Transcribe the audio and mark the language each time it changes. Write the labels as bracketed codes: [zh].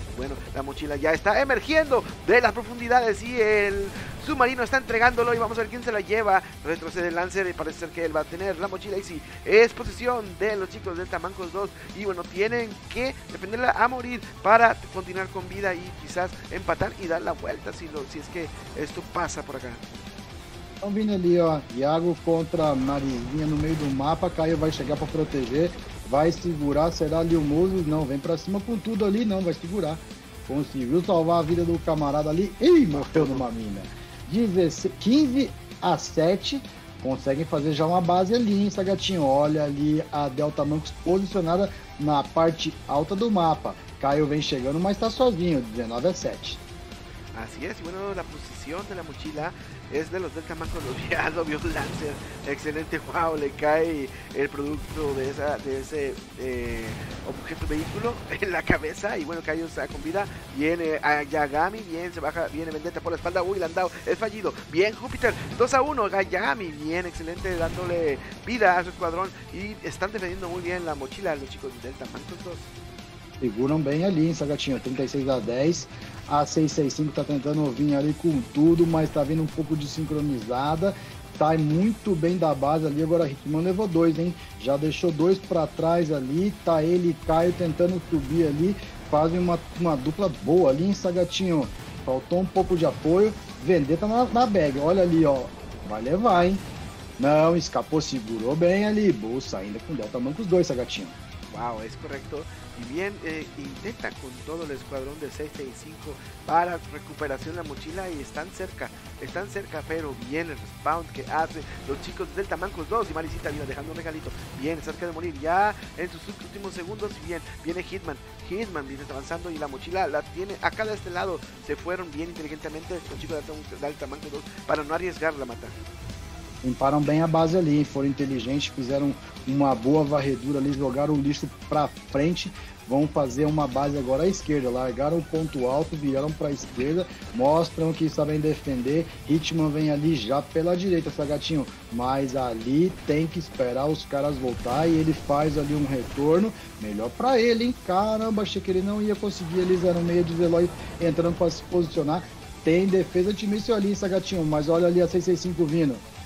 [es] Bueno, la mochila ya está emergiendo de las profundidades y el submarino está entregándolo. Y vamos a ver quién se la lleva. Retrocede el Lancer y parece ser que él va a tener la mochila. Y sí, es posesión de los chicos de Tamancos 2. Y bueno, tienen que defenderla a morir para continuar con vida y quizás empatar y dar la vuelta si es que esto pasa por acá. [pt] Estão vindo ali, ó, Iago contra Marizinha no meio do mapa, Caio vai chegar para proteger, vai segurar, será ali o Moso? Não, vem para cima com tudo ali, não, vai segurar. Conseguiu salvar a vida do camarada ali, ih, morreu numa mina. 15-7, conseguem fazer já uma base ali, hein, Sagatinho? Olha ali a Delta Mancos posicionada na parte alta do mapa. Caio vem chegando, mas tá sozinho, 19-7. [es] Así es, y bueno, la posición de la mochila es de los Delta Mancos 2, ya lo vio Lancer, excelente, wow, le cae el producto de ese objeto vehículo en la cabeza, y bueno, Caio está con vida, viene a Yagami, bien, se baja, viene Vendetta por la espalda, uy, Landau, es fallido, bien, Júpiter, 2-1, Yagami, bien, excelente, dándole vida a su escuadrón, y están defendiendo muy bien la mochila los chicos de Delta Mancos 2. [pt] Seguram bem ali, hein, Sagatinho, 36-10, a 665 tá tentando vir ali com tudo, mas tá vindo um pouco desincronizada, tá muito bem da base ali, agora a Hitman levou dois, hein, já deixou dois pra trás ali, tá ele e Caio tentando subir ali, fazem uma dupla boa ali, hein, Sagatinho, faltou um pouco de apoio, Vendetta na bag, olha ali, ó, vai levar, hein, não, escapou, segurou bem ali, bolsa ainda com Delta Mancos 2, Sagatinho. Uau, é correto. [es] Y bien, intenta con todo el escuadrón de 665 para recuperación de la mochila y están cerca, pero bien el respawn que hacen los chicos de Delta Mancos 2 y Maricita viva dejando un regalito, bien cerca de morir ya en sus últimos segundos, y bien, viene Hitman viene avanzando y la mochila la tiene acá de este lado, se fueron bien inteligentemente los chicos de Delta Mancos 2 para no arriesgar la mata. [pt] Limparam bem a base ali, foram inteligentes, fizeram uma boa varredura ali, jogaram o lixo pra frente, vão fazer uma base agora à esquerda, largaram o ponto alto, vieram pra esquerda, mostram que sabem defender, Hitman vem ali já pela direita, Sagatinho, mas ali tem que esperar os caras voltar e ele faz ali um retorno, melhor pra ele, hein, caramba, achei que ele não ia conseguir, eles eram meio de Veloy entrando pra se posicionar, tem defesa de míssil ali, Sagatinho, mas olha ali a 665 vindo.